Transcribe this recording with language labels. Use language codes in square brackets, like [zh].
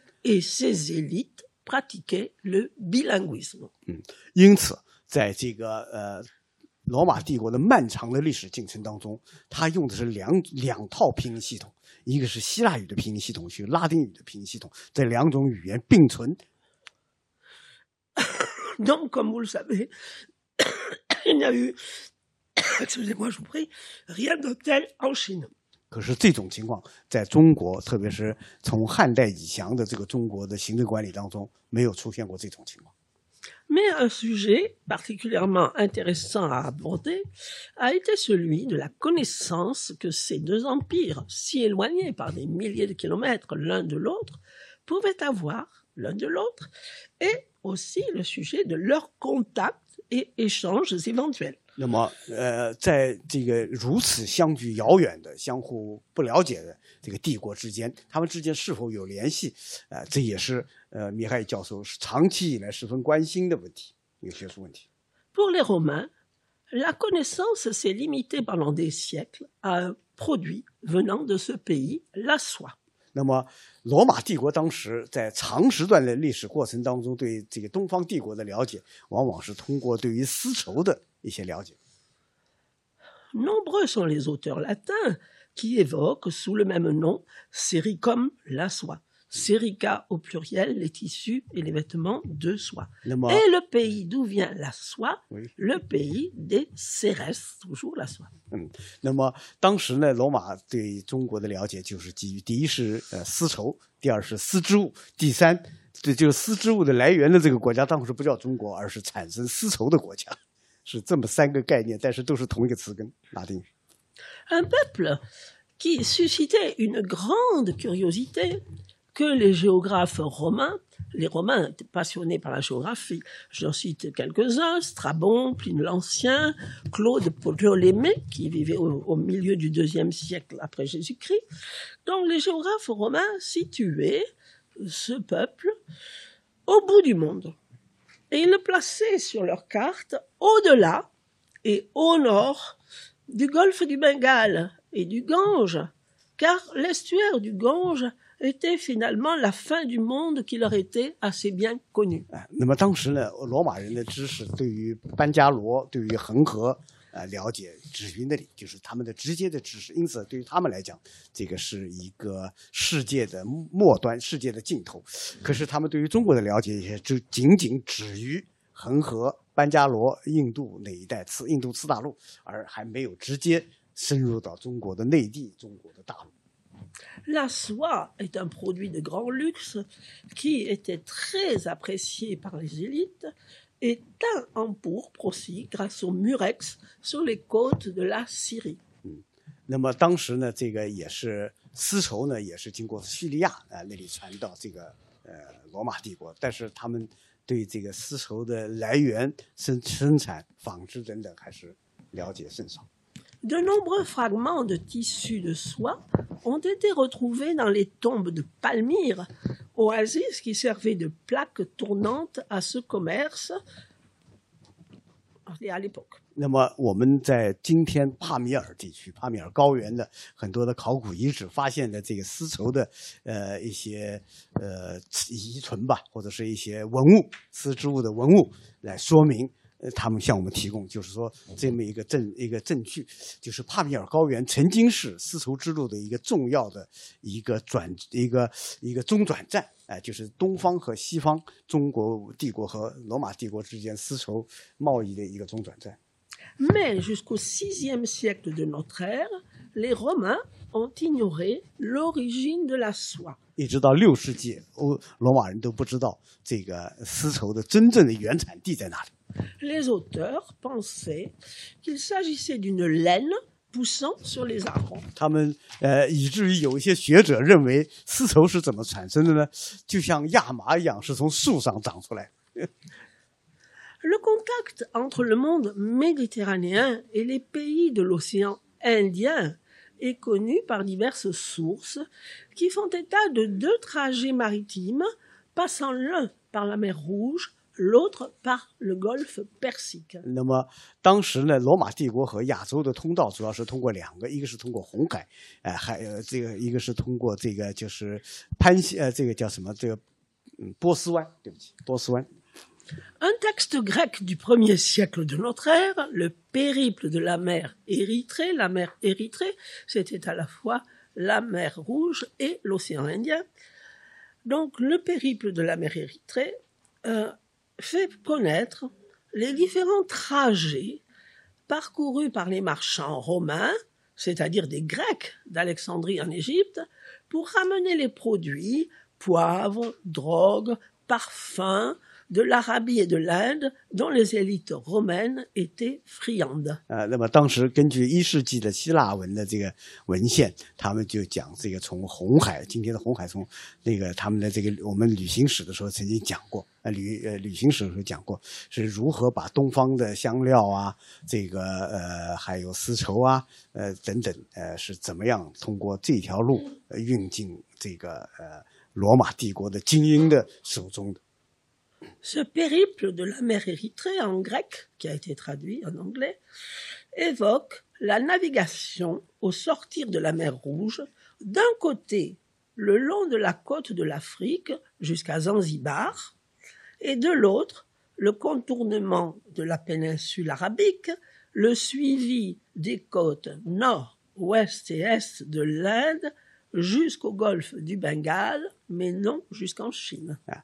[fr] Et ses élites pratiquaient le bilinguisme. [zh] 因此，在这个罗马帝国的漫长的历史进程当中，他用的是两套拼音系统，一个是希腊语的拼音系统，是拉丁语的拼音系统，这两种语言并存。 [fr] Donc, comme vous le savez, il n'y a eu excusez-moi, je vous prie, rien de tel en Chine. [zh] 可是这种情况在中国，特别是从汉代以降的这个中国的行政管理当中，没有出现过这种情况。 [fr] Mais un sujet particulièrement intéressant à aborder a été celui de la connaissance que ces deux empires, si éloignés par des milliers de kilomètres l'un de l'autre, pouvaient avoir l'un de l'autre, et aussi le sujet de leurs contacts et échanges éventuels. [zh] 那么，在这个如此相距遥远的、相互不了解的这个帝国之间，他们之间是否有联系？这也是米哈伊教授长期以来十分关心的问题，一个学术问题。 [fr] Pour les Romains, la connaissance s'est limitée pendant des siècles à un produit venant de ce pays, la soie. [zh] 那么，罗马帝国当时在长时段的历史过程当中，对这个东方帝国的了解，往往是通过对于丝绸的一些了解。 [fr] Nombreux sont les auteurs latins qui évoquent sous le même nom sericum, la soie, serica au pluriel, les tissus et les vêtements de soie. Et le pays d'où vient la soie, le pays des Ceres, toujours la soie. [zh] 那么当时呢，罗马对中国的了解就是基于第一是丝绸，第二是丝织物，第三这就是丝织物的来源的这个国家，当时不叫中国，而是产生丝绸的国家。是这么三个概念，但是都是同一个词根，拉丁语。 [fr] Un peuple qui suscitait une grande curiosité que les géographes romains, les Romains étaient passionnés par la géographie. J'en cite quelques-uns, Strabon, Pline l'Ancien, Claude Ptolémée, qui vivait au milieu du IIe siècle après Jésus-Christ. Donc les géographes romains situaient ce peuple au bout du monde. Et ils le plaçaient sur leur carte au-delà et au nord du golfe du Bengale et du Gange, car l'estuaire du Gange était finalement la fin du monde qui leur était assez bien connu. [zh] 那么当时呢，罗马人的知识对于班加罗、对于恒河了解止于那里，就是他们的直接的知识。因此，对于他们来讲，这个是一个世界的末端、世界的尽头。可是，他们对于中国的了解也就仅仅止于恒河、班加罗、印度那一带次印度次大陆，而还没有直接深入到中国的内地、中国的大陆。 [fr] La soie est un produit de grand luxe qui était très apprécié par les élites. Et teint en pourpre aussi grâce aux murex sur les côtes de la Syrie. [zh] 那么当时呢，这个也是丝绸呢，也是经过叙利亚啊那里传到这个罗马帝国，但是他们对这个丝绸的来源、生产、纺织等等还是了解甚少。 [fr] De nombreux fragments de tissus de soie ont été retrouvés dans les tombes de Palmyre, oasis qui servait de plaque tournante à ce commerce à l'époque. [zh] 那么我们在今天帕米尔地区、帕米尔高原的很多的考古遗址发现的这个丝绸的一些遗存吧，或者是一些文物、丝织物的文物来说明。他们向我们提供就是说这么一个证据，就是帕米尔高原曾经是丝绸之路的一个重要的一个中转站、就是东方和西方中国帝国和罗马帝国之间丝绸贸易的一个中转站。 [fr] Mais jusqu'au VIe siècle de notre ère, les Romains ont ignoré l'origine de la soie. [zh] 一直到六世纪，罗马人都不知道这个丝绸的真正的原产地在哪里。 [fr] Les auteurs pensaient qu'il s'agissait d'une laine poussant sur les arbres. [zh] 他们以至于有一些学者认为丝绸是怎么产生的呢？就像亚麻一样，是从树上长出来。 [fr] Le contact entre le monde méditerranéen et les pays de l'océan Indien est connu par diverses sources qui font état de deux trajets maritimes passant l'un par la mer Rouge. L'autre par le Golfe Persique. [zh] 那么当时呢，罗马帝国和亚洲的通道主要是通过两个，一个是通过红海，还有这个一个是通过这个就是潘西，这个叫什么？这个波斯湾，对不起，波斯湾。 [fr] Un texte grec du premier siècle de notre ère, le périple de la mer Érythrée. La mer Érythrée, c'était à la fois la mer Rouge et l'océan Indien. Donc le périple de la mer Érythrée. Fait connaître les différents trajets parcourus par les marchands romains, c'est-à-dire des Grecs d'Alexandrie en Égypte, pour ramener les produits, poivre, drogue, parfums, de l'Arabie et de l'Inde, dont les élites romaines étaient friandes. [zh] 那么当时根据一世纪的希腊文的这个文献，他们就讲这个从红海，今天的红海，从那个他们的这个我们旅行史的时候曾经讲过。旅行史的时候讲过是如何把东方的香料啊，这个还有丝绸啊，等等，是怎么样通过这条路运进这个罗马帝国的精英的手中的。 [fr] Ce périple de la mer Érythrée en grec, qui a été traduit en anglais, évoque la navigation au sortir de la mer Rouge, d'un côté le long de la côte de l'Afrique jusqu'à Zanzibar. Et de l'autre, le contournement de la péninsule arabique, le suivi des côtes nord, ouest et est de l'Inde jusqu'au golfe du Bengale, mais non jusqu'en Chine.